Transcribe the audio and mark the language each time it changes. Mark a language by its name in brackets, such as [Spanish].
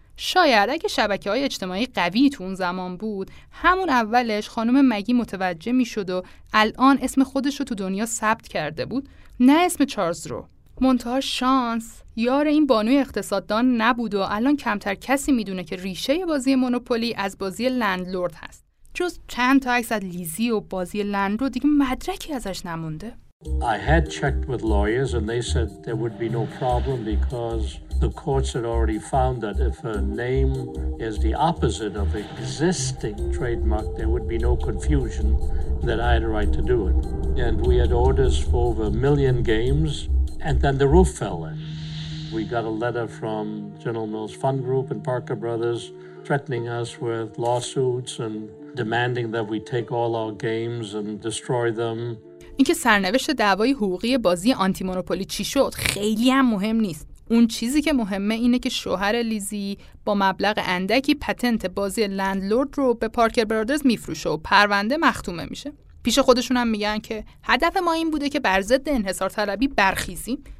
[Persian] شاید اگه شبکه‌های اجتماعی قوی تو اون زمان بود، همون اولش خانم مگی متوجه می‌شد و الان اسم خودش رو تو دنیا ثبت کرده بود، نه اسم چارلز رو. منتها شانس یار این بانوی اقتصاددان نبود و الان کمتر کسی میدونه که ریشه بازی مونوپولی از بازی لندلورد هست. جز چند تا عکس از لیزی و بازی لندلورد دیگه مدرکی ازش نمونده. [English] I had checked with lawyers and they said there would be no problem because the courts had already found that if a name is the opposite of existing trademark there would be no confusion that I had a right to do it. And we had orders for over a million games. And then the roof fell in. We got a letter from General Mills Fund Group and Parker Brothers threatening us with lawsuits and demanding that we take all our games and destroy them. [Persian] این که سرنوشت دعوای حقوقی بازی آنتی مونوپولی چی شد خیلی هم مهم نیست. اون چیزی که مهمه اینه که شوهر لیزی با مبلغ اندکی پتنت بازی لندلورد رو به پارکر برادرز میفروشه و پرونده مختومه میشه. پیش خودشون هم میگن که هدف ما این بوده که بر ضد انحصار طلبی برخیزیم.